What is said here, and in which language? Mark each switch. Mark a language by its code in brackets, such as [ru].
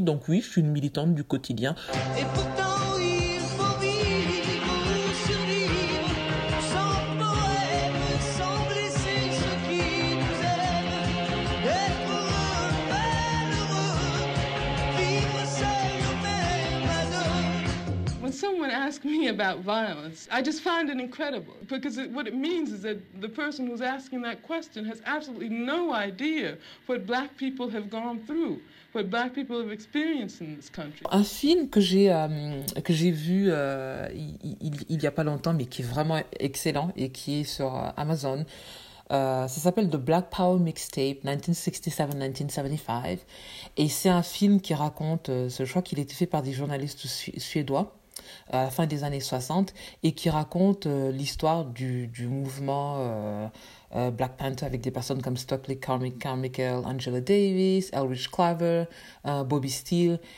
[fr] Donc oui, je suis une militante du quotidien. Et pourtant, il faut vivre, survivre, sans poème, sans blesser ceux qui nous aiment. Et pour un bel heureux, vivre seul ou même à deux. [en] When someone asks me about violence, I just find it incredible. Because what it means is that the person who's asking that question has absolutely no idea what black people have gone through, what black people have experienced in this country. [fr] Un film que j'ai vu il y a pas longtemps, mais qui est vraiment excellent et qui est sur Amazon, ça s'appelle The Black Power Mixtape 1967-1975, et c'est un film qui raconte, je crois qu'il a été fait par des journalistes suédois à la fin des années 60, et qui raconte l'histoire du mouvement Black Panther, avec des personnes comme Stokely Carmichael, Angela Davis, Elridge Cleaver, Bobby Steele.